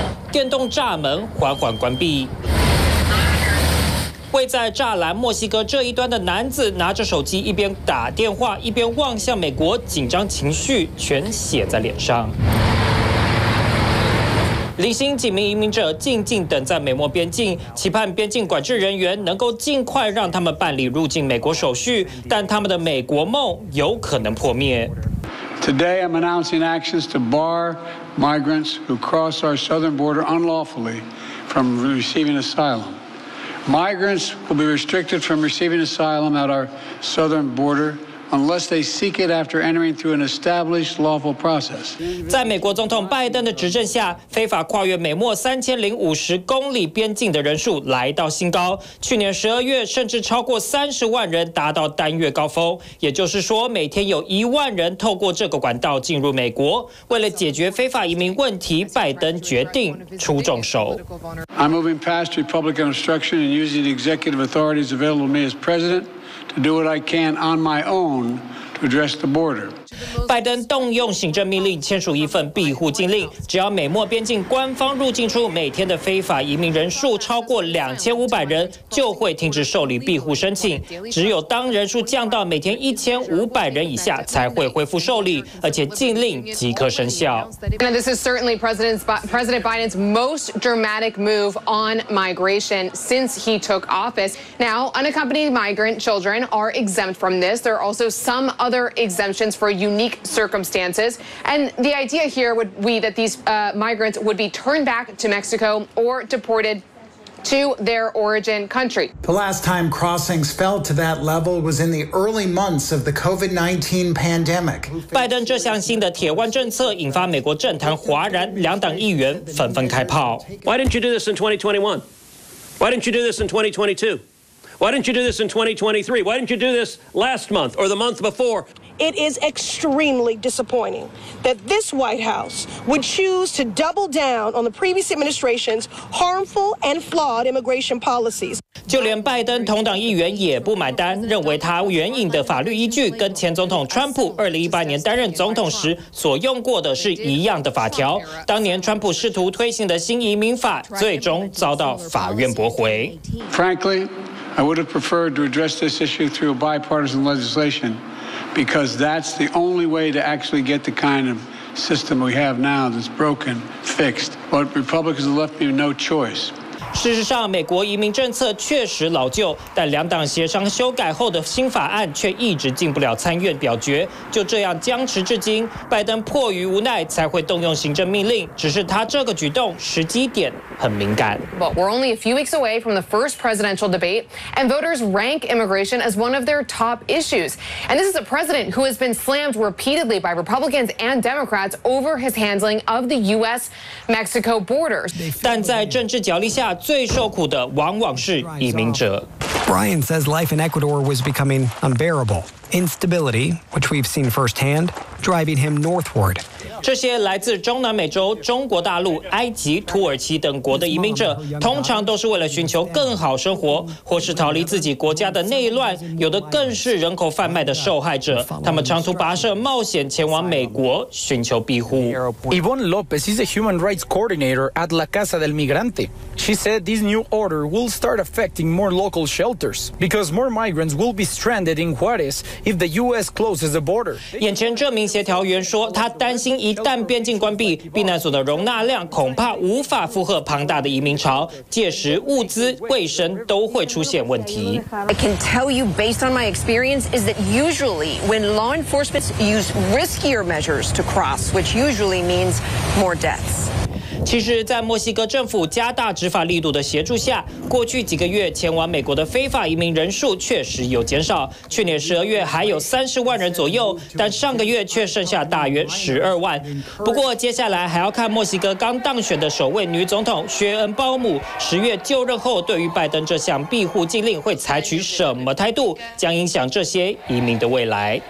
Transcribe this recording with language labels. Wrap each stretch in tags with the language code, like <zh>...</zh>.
<zh>电动栅门缓缓关闭，位在栅栏墨西哥这一端的男子拿着手机，一边打电话一边望向美国，紧张情绪全写在脸上。零星几名移民者静静等在美墨边境，期盼边境管制人员能够尽快让他们办理入境美国手续，但他们的美国梦有可能破灭。</zh> <en>Today I'm announcing actions to bar migrants who cross our southern border unlawfully from receiving asylum. Migrants will be restricted from receiving asylum at our southern border unless they seek it after entering through an established lawful process.</en> <zh>在美国总统拜登的执政下，非法跨越美墨3050公里边境的人数来到新高，去年12月甚至超过30万人，达到单月高峰。也就是说，每天有10000人透过这个管道进入美国。为了解决非法移民问题，拜登决定出重手。</zh> <en>I'm moving past Republican obstruction and using the executive authorities available to me as president to do what I can on my own to address the border.</en> <zh>拜登动用行政命令签署一份庇护禁令，只要美墨边境官方入境处每天的非法移民人数超过2500人，就会停止受理庇护申请。只有当人数降到每天1500人以下，才会恢复受理，而且禁令即刻生效。</zh> <en>And this is certainly President Biden's most dramatic move on migration since he took office. Now, unaccompanied migrant children are exempt from this. There are also some other exemptions for unique circumstances. And the idea here would be that these migrants would be turned back to Mexico or deported to their origin country. The last time crossings fell to that level was in the early months of the COVID-19 pandemic.</en> <zh>拜登这项新的铁腕政策引发美国政坛哗然，两党议员纷纷开炮。</zh> <en>Why didn't you do this in 2021? Why didn't you do this in 2022? Why didn't you do this in 2023? Why didn't you do this last month or the month before? It is extremely disappointing that this White House would choose to double down on the previous administration's harmful and flawed immigration policies.</en> <zh>就连拜登同党议员也不买单，认为他援引的法律依据跟前总统川普2018年担任总统时所用过的是一样的法条。当年川普试图推行的新移民法最终遭到法院驳回。</zh> <en>Frankly. I would have preferred to address this issue through a bipartisan legislation because that's the only way to actually get the kind of system we have now that's broken, fixed. But Republicans have left me no choice.</en> <zh>事实上，美国移民政策确实老旧，但两党协商修改后的新法案却一直进不了参院表决，就这样僵持至今。拜登迫于无奈才会动用行政命令，只是他这个举动时机点很敏感。</zh> <en>But we're only a few weeks away from the first presidential debate, and voters rank immigration as one of their top issues. And this is a president who has been slammed repeatedly by Republicans and Democrats over his handling of the U.S.-Mexico border.</en> <zh>但在政治角力下。最受苦的往往是移民者。</zh> <en>Brian says life in Ecuador was becoming unbearable. Instability, which we've seen firsthand, driving him northward.</en> <zh>这些来自中南美洲、中国大陆、埃及、土耳其等国的移民者，通常都是为了寻求更好生活，或是逃离自己国家的内乱，有的更是人口贩卖的受害者。他们长途跋涉，冒险前往美国寻求庇护。</zh> <en>Yvonne Lopez is a human rights coordinator at La Casa del Migrante. She said this new order will start affecting more local shelters because more migrants will be stranded in Juarez if the U.S. closes the border.</en> <zh>眼前这名协调员说，他担心。一旦边境关闭，避难所的容纳量恐怕无法负荷庞大的移民潮，届时物资、卫生都会出现问题。</zh> <en>I can tell you based on my experience is that usually when law enforcement use riskier measures to cross, which usually means more deaths.</en> <zh>其实，在墨西哥政府加大执法力度的协助下，过去几个月前往美国的非法移民人数确实有减少。去年十二月还有30万人左右，但上个月却剩下大约12万。不过，接下来还要看墨西哥刚当选的首位女总统薛恩鲍姆十月就任后，对于拜登这项庇护禁令会采取什么态度，将影响这些移民的未来。</zh>